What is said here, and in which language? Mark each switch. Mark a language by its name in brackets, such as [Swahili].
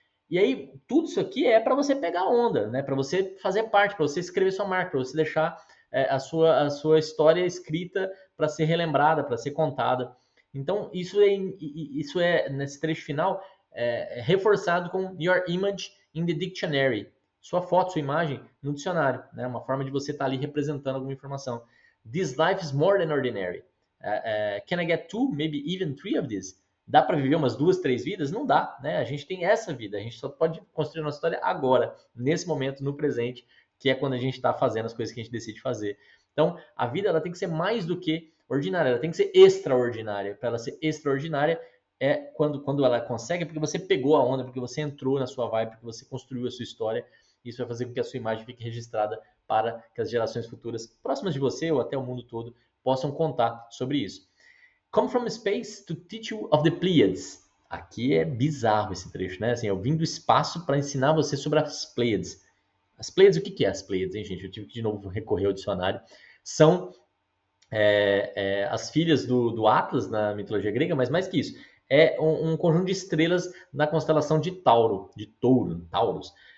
[Portuguese] E aí, tudo isso aqui é para você pegar onda, né? Para você fazer parte, para você escrever sua marca, para você deixar a sua história escrita para ser relembrada, para ser contada. Então, isso é nesse trecho final, reforçado com [English] your image in the dictionary. [Portuguese] Sua foto, sua imagem no dicionário, né? Uma forma de você estar ali representando alguma informação. [English] This life is more than ordinary. Can I get two, maybe even three of this? [Portuguese] Dá para viver umas duas, três vidas? Não dá, né? A gente tem essa vida, a gente só pode construir nossa história agora, nesse momento, no presente, que é quando a gente está fazendo as coisas que a gente decide fazer. Então, a vida ela tem que ser mais do que ordinária, ela tem que ser extraordinária. Para ela ser extraordinária, é quando ela consegue, porque você pegou a onda, porque você entrou na sua vibe, porque você construiu a sua história. Isso vai fazer com que a sua imagem fique registrada para que as gerações futuras, próximas de você ou até o mundo todo, possam contar sobre isso. [English] Come from space to teach you of the Pleiades. [Portuguese] Aqui é bizarro esse trecho, né? Assim, eu vim do espaço para ensinar você sobre as Pleiades. As Pleiades, o que é as Pleiades, hein, gente? Eu tive que de novo recorrer ao dicionário. São as filhas do Atlas na mitologia grega, mas mais que isso, é um conjunto de estrelas na constelação de Tauro, de Touro, Taurus.